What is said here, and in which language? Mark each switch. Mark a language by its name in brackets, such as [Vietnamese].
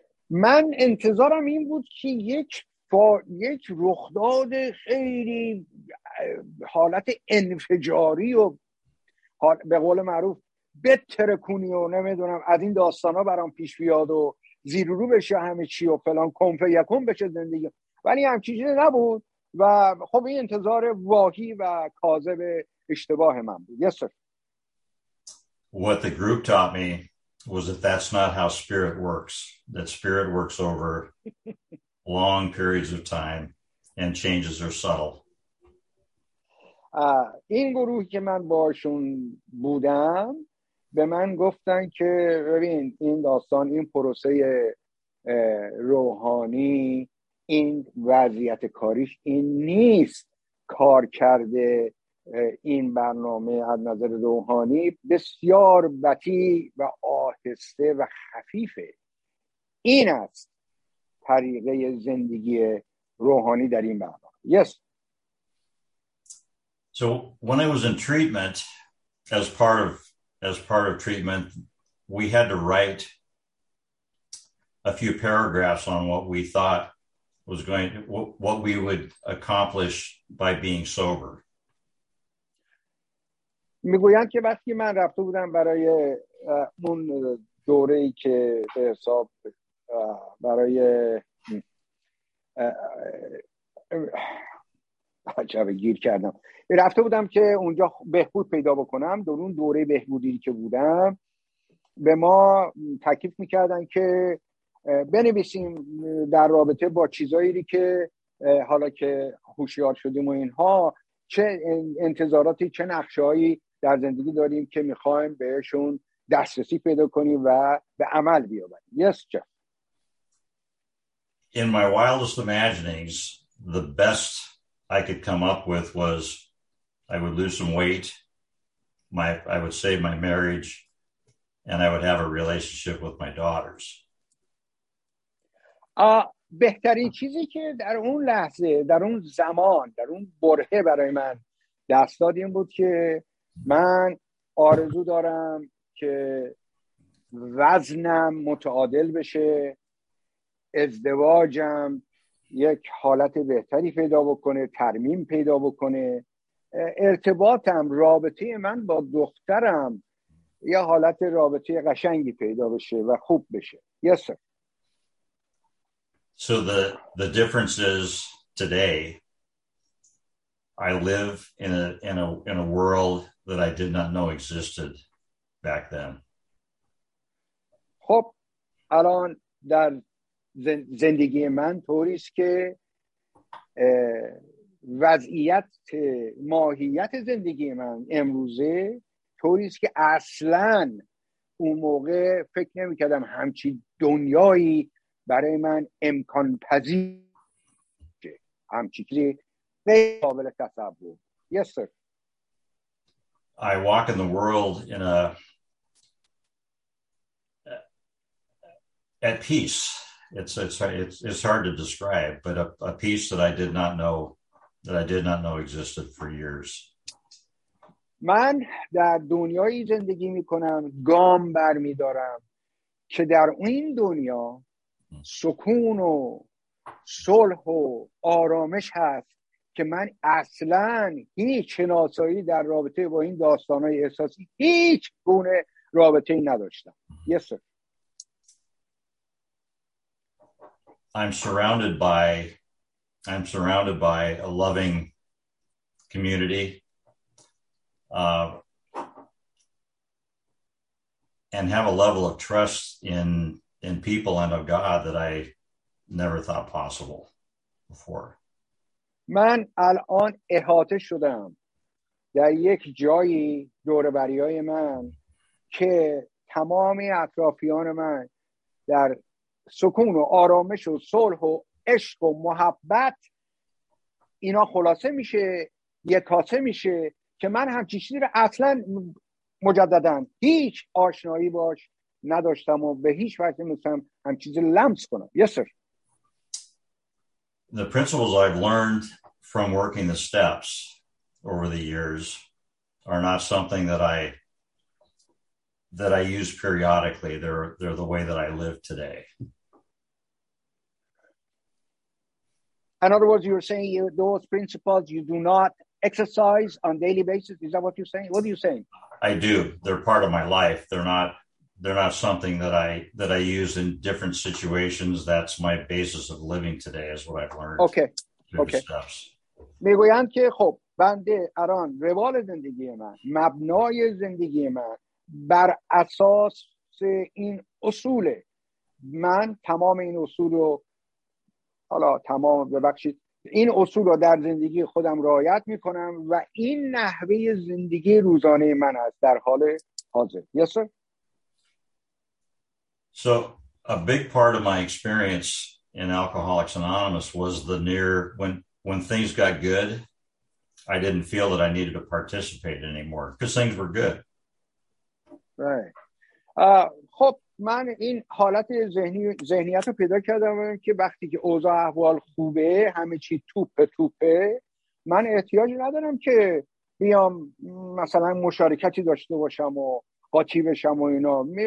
[Persian] من انتظارم این بود که یک رخداد خیلی حالت انفجاری و به قول معروف بترکونی و نمیدونم از این داستانا برام پیش بیاد و زیر رو بشه همه چی و فلان کنف یکون بشه زندگی، ولی همچین چیزی نبود. و خب این انتظار واهی و کاذب اشتباه من بود. [English] Yes, sir. What the group taught me was that that's not how spirit works. That spirit works over long periods of time and changes are subtle. [Persian] این گروهی که من باشون بودم به من گفتن که ببین این داستان، این پروسه روحانی، این وضعیت کاریش این نیست. کار کرده این برنامه از نظر روحانی بسیار بطی و آهسته و خفیفه. این است طریقه زندگی روحانی در این برنامه. [English] Yes. So when I was in treatment, as part of treatment, we had to write a few paragraphs on what we thought was going to, what we would accomplish by being sober. [Persian] میگویند که وقتی من رفته بودم برای اون دوره‌ای که به حساب برای بچه گیر کردم رفته بودم که اونجا بهبود پیدا بکنم، در اون دوره بهبودی که بودم به ما تکلیف میکردن که بنویسیم در رابطه با چیزایی که حالا که هوشیار شدیم و اینها چه انتظاراتی، چه نقشه‌هایی در زندگی داریم که می‌خوایم بهشون دسترسی پیدا کنیم و به عمل بیاوریم. [English] Yes, Jeff. In my wildest imaginings, the best I could come up with was I would lose some weight, I would save my marriage, and I would have a relationship with my daughters. [Persian] بهترین چیزی که در اون لحظه، در اون زمان، در اون برهه برای من دست داد این بود که من آرزو دارم که وزنم متعادل بشه، ازدواجم یک حالت بهتری پیدا بکنه، ترمیم پیدا بکنه، ارتباطم، رابطه من با دخترم یه حالت رابطه قشنگی پیدا بشه و خوب بشه. [English] Yes, sir. So the difference is today I live in a world that I did not know existed back then. [Persian] خب الان در زندگی من طوری است که وضعیت ماهیت زندگی من امروزه طوری است که اصلا اون موقع فکر نمی‌کردم همچی دنیایی برای من امکان پذیر همچی چیزی قابل تصور. [English] Yes, sir. I walk in the world in a at peace. It's hard to describe, but a peace that I did not know existed for years. [Persian] من در دنیای زندگی می کنم، گام بر می دارم که در این دنیا سکون و صلح و آرامش هست که من اصلاً هیچ شناسایی در رابطه با این داستانهای احساسی هیچ گونه رابطه‌ای نداشتم. [English] Yes, sir. I'm surrounded by I'm surrounded by a loving community. And have a level of trust in people and of God that I never thought possible before. [Persian] من الان احاطه شدم در یک جایی دوربریای من که تمام اطرافیان من در سکون و آرامش و صلح و عشق و محبت اینا خلاصه میشه، یک کاسه میشه که من هم چیزی رو اصلا مجددن هیچ آشنایی باش نداشتم و به هیچ وقت نمیتونم هم چیزی لمس کنم. [English] Yes sir. The principles I've learned from working the steps over the years are not something that I use periodically. They're the way that I live today. In other words, you're saying those principles you do not exercise on a daily basis. Is that what you're saying? What are you saying? I do. They're part of my life. They're not something that I use in different situations. That's my basis of living today, is what I've learned. Okay. Okay. Steps. [Persian] میگویند که خب بنده الان روال زندگی من، مبنای زندگی من بر اساس این اصوله. من تمام این اصول رو، حالا تمام ببخشید، این اصول رو در زندگی خودم رعایت میکنم و این نحوه زندگی روزانه من است در حال حاضر. [English] Yes, sir. So a big part of my experience in Alcoholics Anonymous was the near when things got good, I didn't feel that I needed to participate anymore because things were good. Right. [Persian] خب من این حالت ذهنیت رو پیدا کردم که وقتی که اوضاع احوال خوبه، همه چی توپه توپه، من احتیاج ندارم که بیام مثلا مشارکتی داشته باشم و قاطی بشم و اینا.